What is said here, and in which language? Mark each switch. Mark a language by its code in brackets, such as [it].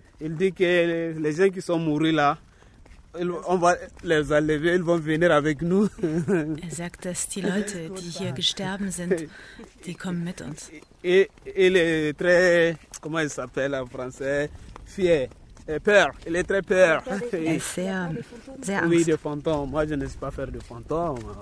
[fr] Il dit que les gens qui sont morts là, on va les enlever, ils vont venir avec nous. [de] Er sagt, dass die Leute, die hier gestorben sind, die kommen mit uns. [fr] Il est très, comment il s'appelle en français, fier, peur, il est très peur. [de] Sehr angst. [fr] Oui, des fantômes, moi je ne sais pas faire de fantômes.